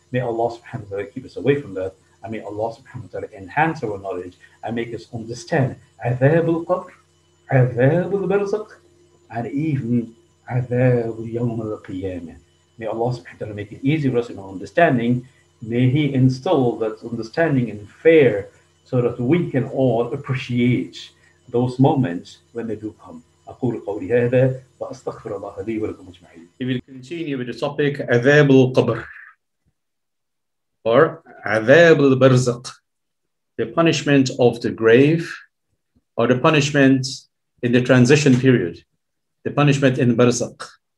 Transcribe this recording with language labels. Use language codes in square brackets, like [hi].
[en] May Allah subhanahu wa ta'ala keep us away from that. And may Allah subhanahu wa ta'ala enhance our knowledge and make us understand عذاب القبر, عذاب البرزق, and even عذاب يوم القيامة. May Allah subhanahu wa ta'ala make it easy for us in our understanding. May He instill that understanding and fear so that we can all appreciate those moments when they do come. [ar] أقول قولي هذا وأستغفر الله لي ولكم أجمعين. [en] We will continue with the topic عذاب القبر or عذاب البرزق, the punishment of the grave or the punishment in the transition period, the punishment in برزق.